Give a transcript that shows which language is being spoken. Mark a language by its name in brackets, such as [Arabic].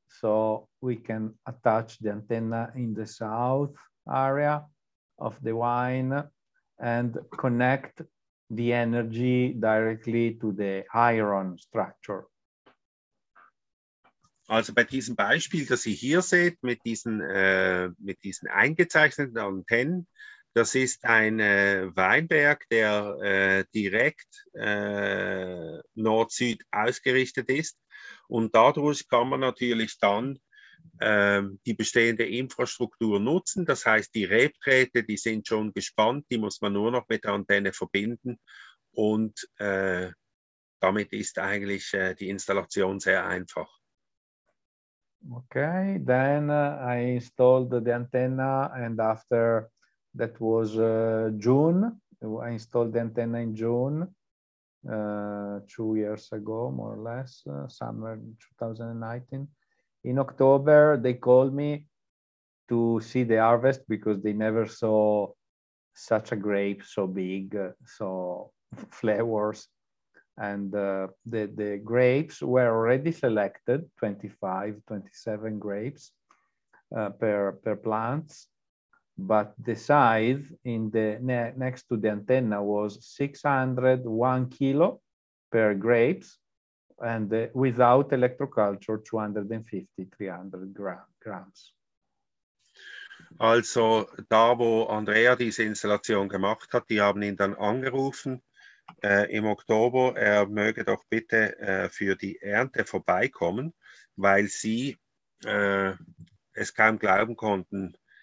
[English] So we can attach the antenna in the south area of the vine and connect the energy directly to the iron structure. [German] Also bei diesem Beispiel, das ihr hier seht, mit diesen eingezeichneten Antennen, das ist ein Weinberg, der direkt Nord-Süd ausgerichtet ist. Und dadurch kann man natürlich dann die bestehende Infrastruktur nutzen. Das heißt, die Rebdrähte, die sind schon gespannt, die muss man nur noch mit der Antenne verbinden. Und damit ist eigentlich die Installation sehr einfach. [English] Okay, then I installed the antenna, and after that was June, I installed the antenna in June, 2 years ago, more or less, summer 2019. In October, they called me to see the harvest because they never saw such a grape so big, so flowers. And the grapes were already selected, 25, 27 grapes per plants. But the size in the next to the antenna was 601 kilo per grapes, and without electroculture, 250-300 grams. [German] Also da, wo Andrea diese Installation gemacht hat, die haben ihn dann angerufen. Im Oktober, er möge doch bitte für die Ernte vorbeikommen, weil sie es kaum glauben konnten.